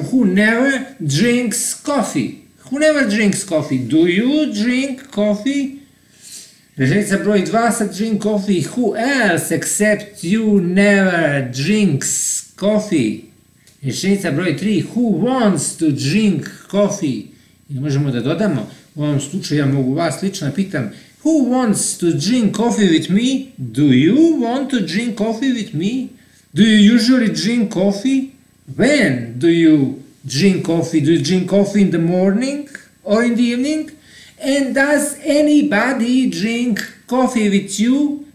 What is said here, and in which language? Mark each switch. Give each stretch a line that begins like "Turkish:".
English: Who never drinks coffee? Who never drinks coffee? Do you drink coffee?
Serbian: Rečenica broj 2 sa
English: drink coffee. Who else except you never drinks coffee?
Serbian: Rečenica broj 3.
English: Who wants to drink coffee?
Serbian: I možemo da dodamo. U ovom slučaju ja mogu vas lično pitam.
English: Who wants to drink coffee with me? Do you want to drink coffee with me? Do you usually drink coffee? When do you drink coffee? Do you drink coffee in the morning or in the evening? And does anybody drink coffee with you?